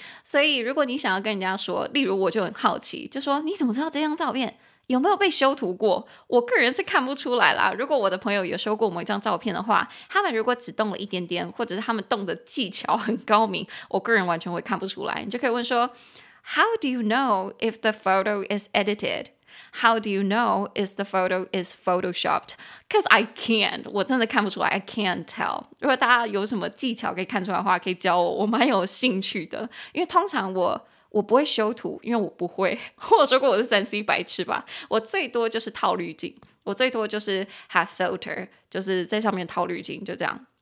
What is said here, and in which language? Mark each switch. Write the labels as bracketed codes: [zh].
[zh] 所以如果你想要跟人家说，例如我就很好奇，就说你怎么知道这张照片有没有被修图过？我个人是看不出来啦。如果我的朋友有修过某一张照片的话，他们如果只动了一点点，或者是他们动的技巧很高明，我个人完全会看不出来。你就可以问说 [en] How do you know if the photo is edited? How do you know if the photo is photoshopped? Because I can't. [zh] 我真的看不出来， [en] I can't tell. [zh] 如果大家有什么技巧可以看出来的话，可以教我，我蛮有兴趣的。因为通常我不会修图，因为我不会。我说过我是3C白痴吧，我最多就是套滤镜，我最多就是 [en] have filter， [zh] 就是在上面套滤镜，就这样。